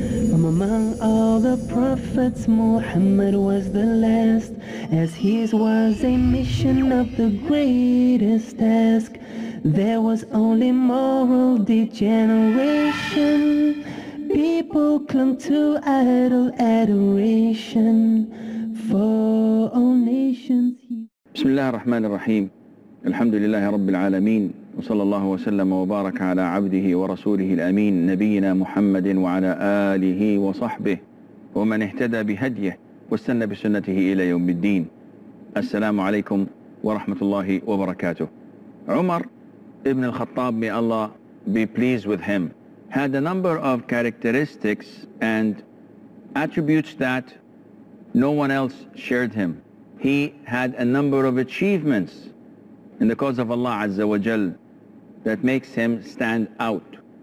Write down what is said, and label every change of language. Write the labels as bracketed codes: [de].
[en] From among all the prophets, Muhammad was the last, as his was a mission of the greatest task. There was only moral degeneration. People clung to idol adoration. For all nations [ar] he... بسم الله الرحمن الرحيم. الحمد لله رب العالمين وصلى الله وسلم وبارك على عبده ورسوله الأمين نبينا محمد وعلى آله وصحبه ومن اهتدى بهديه واستنى بسنته إلى يوم الدين. السلام عليكم ورحمة الله وبركاته. [en] عمر ابن الخطاب, may Allah be pleased with him, had a number of characteristics and attributes that no one else shared him. He had a number of achievements in the cause of Allah Azza wa Jal that makes him stand out.